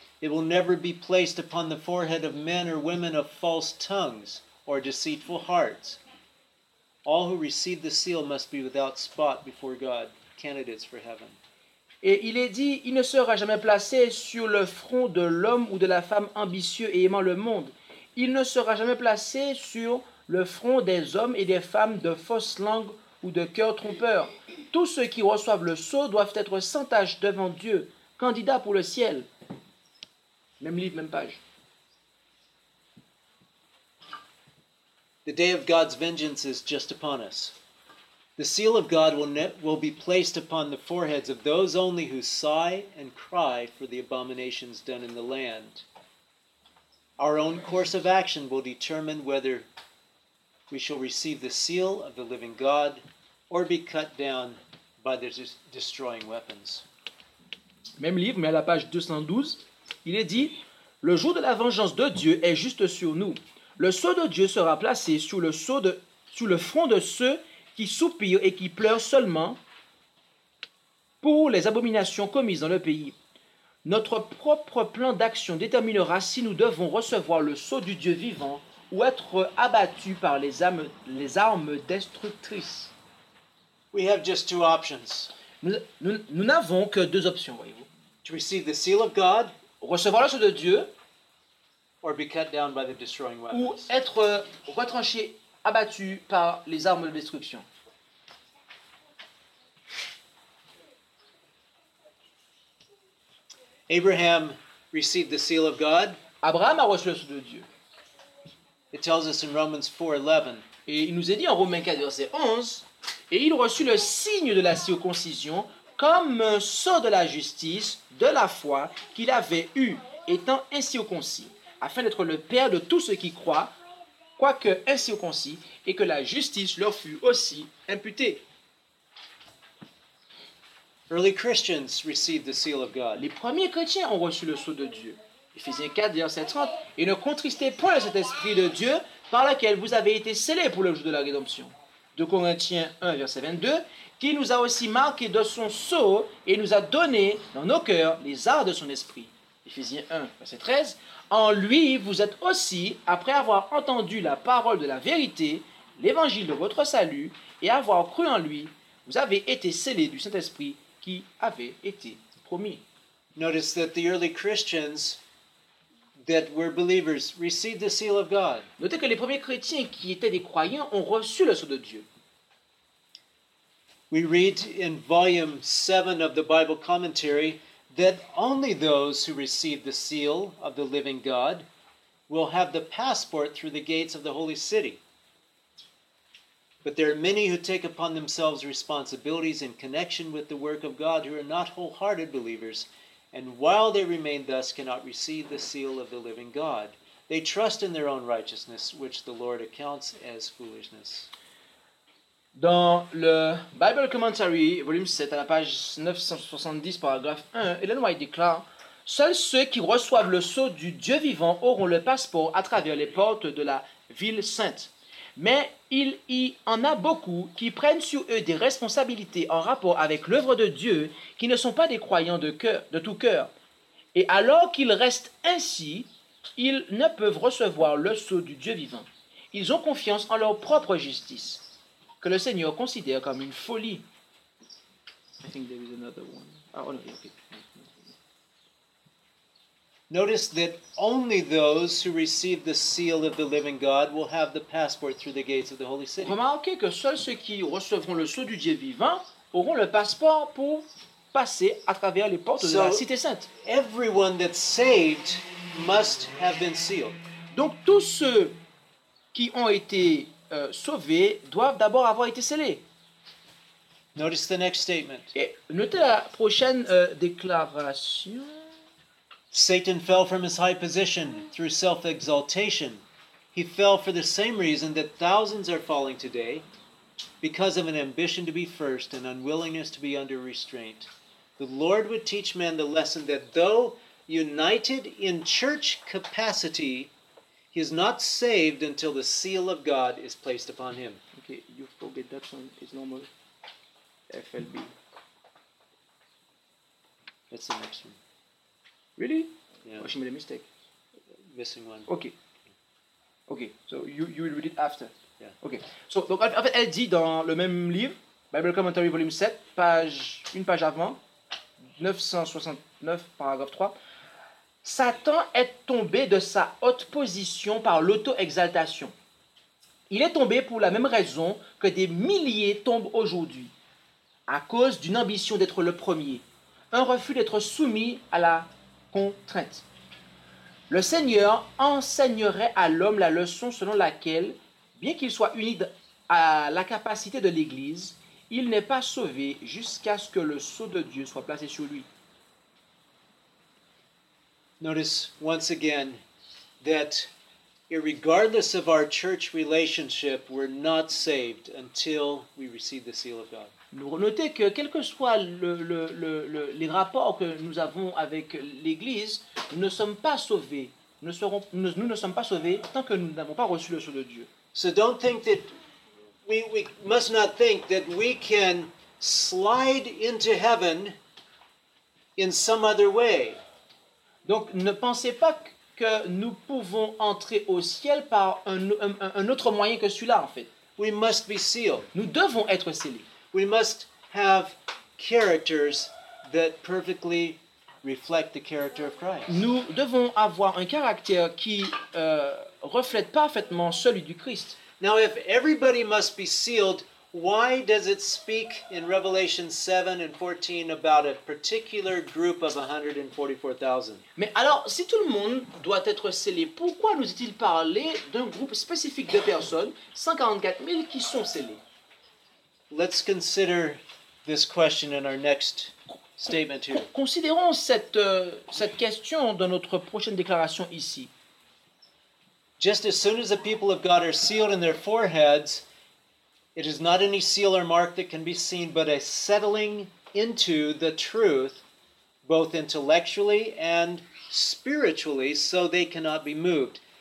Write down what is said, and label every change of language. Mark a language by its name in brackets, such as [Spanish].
[English] It will never be placed upon the forehead of men or women of false tongues or deceitful hearts. All who receive the seal must be without spot before God, candidates for heaven. [French] Et il est dit, il ne sera jamais placé sur le front de l'homme ou de la femme ambitieux et aimant le monde. Il ne sera jamais placé sur le front des hommes et des femmes de fausses langues ou de cœurs trompeurs. Tous ceux qui reçoivent le sceau doivent être sans tache devant Dieu, candidats pour le ciel. Même livre, même page. [English] The day of God's vengeance is just upon us. The seal of God will be placed upon the foreheads of those only who sigh and cry for the abominations done in the land. Our own course of action will determine whether we shall receive the seal of the living God or be cut down by the destroying weapons. [French] Même livre, mais à la page 212, il est dit, « Le jour de la vengeance de Dieu est juste sur nous. Le sceau de Dieu sera placé sur le front de ceux qui soupirent et qui pleurent seulement pour les abominations commises dans le pays. Notre propre plan d'action déterminera si nous devons recevoir le sceau du Dieu vivant ou être abattus par les armes destructrices. [English] We have just two options. [French] Nous n'avons que deux options, voyez-vous. [English] To receive the seal of God, [French] recevoir le sceau de Dieu [English] or be cut down by the destroying weapons. [French] Ou être retranché, abattu par les armes de destruction. [English] Abraham received the seal of God. [French] Abraham a reçu le sceau de Dieu. [English] It tells us in Romans 4:11. [French] Et il nous est dit en Romains 4, verset 11, et il reçut le signe de la circoncision comme un sceau de la justice, de la foi qu'il avait eue, étant ainsi circoncis, afin d'être le père de tous ceux qui croient, quoique incirconcis, et que la justice leur fût aussi imputée. Early Christians received the seal of God. Les premiers chrétiens ont reçu le sceau de Dieu. Éphésiens 4, verset 30. Et ne contristez point cet esprit de Dieu par lequel vous avez été scellés pour le jour de la rédemption. 2 Corinthiens 1, verset 22. Qui nous a aussi marqués de son sceau et nous a donné dans nos cœurs les arts de son esprit. Éphésiens 1, verset 13. En lui, vous êtes aussi, après avoir entendu la parole de la vérité, l'évangile de votre salut, et avoir cru en lui, vous avez été scellés du Saint-Esprit qui avait été promis. [English] Notice that the early Christians that were believers received the seal of God. [French] Notez que les premiers chrétiens qui étaient des croyants ont reçu le sceau de Dieu. [English] We read in volume 7 of the Bible commentary that only those who receive the seal of the living God will have the passport through the gates of the holy city. But there are many who take upon themselves responsibilities in connection with the work of God who are not wholehearted believers, and while they remain thus cannot receive the seal of the living God. They trust in their own righteousness, which the Lord accounts as foolishness. [French] Dans le Bible Commentary, volume 7, à la page 970, paragraphe 1, Ellen White déclare « Seuls ceux qui reçoivent le sceau du Dieu vivant auront le passeport à travers les portes de la ville sainte. Mais il y en a beaucoup qui prennent sur eux des responsabilités en rapport avec l'œuvre de Dieu qui ne sont pas des croyants de tout cœur. Et alors qu'ils restent ainsi, ils ne peuvent recevoir le sceau du Dieu vivant. Ils ont confiance en leur propre justice. » Que le Seigneur considère comme une folie. [English] I think there is another one. Oh, no, okay. Notice that only those who receive the seal of the living God will have the passport through the gates of the holy city. Remarquez que seuls ceux qui recevront le sceau du Dieu vivant auront le passeport pour passer à travers les portes de la cité sainte. Everyone that's saved must have been sealed. Donc tous ceux qui ont été sauvés doivent d'abord avoir été scellés. Notice the next statement. Et notez la prochaine déclaration. Satan fell from his high position through self-exaltation. He fell for the same reason that thousands are falling today, because of an ambition to be first and unwillingness to be under restraint. The Lord would teach men the lesson that though united in church capacity, He is not saved until the seal of God is placed upon him. Okay, you forget that one. It's normal. FLB. That's the next one. Really? Yeah. Oh, she made a mistake. Missing one. Okay. Okay, so you will read it after. Yeah. Okay. [French] So, donc, en fait, elle dit dans le même livre, Bible Commentary Volume 7, page, une page avant, 969, paragraphe 3, Satan est tombé de sa haute position par l'auto-exaltation. Il est tombé pour la même raison que des milliers tombent aujourd'hui, à cause d'une ambition d'être le premier, un refus d'être soumis à la contrainte. Le Seigneur enseignerait à l'homme la leçon selon laquelle, bien qu'il soit uni à la capacité de l'Église, il n'est pas sauvé jusqu'à ce que le sceau de Dieu soit placé sur lui. [English] Notice once again that irregardless of our church relationship, we're not saved until we receive the seal of God. [French] Nous notons que quel que soit les rapports que nous avons avec l'Église, nous ne sommes pas sauvés. Nous ne sommes pas sauvés tant que nous n'avons pas reçu le sceau de Dieu. [English] So don't think that we must not think that we can slide into heaven in some other way. [French] Donc ne pensez pas que nous pouvons entrer au ciel par un autre moyen que celui-là en fait. [English] We must be sealed. [French] Nous devons être scellés. [English] We must have characters that perfectly reflect the character of Christ. [French] Nous devons avoir un caractère qui reflète parfaitement celui du Christ. [English] Now if everybody must be sealed, why does it speak in Revelation 7 and 14 about a particular group of 144,000? [French] Mais alors, si tout le monde doit être scellé, pourquoi nous est-il parlé d'un groupe spécifique de personnes, 144,000 qui sont scellés? [English] Let's consider this question in our next statement here. [French] Considérons cette question dans notre prochaine déclaration ici. [English] Just as soon as the people of God are sealed in their foreheads, it is not any seal or mark that can be seen, but a settling into the truth, both intellectually and spiritually, so they cannot be moved.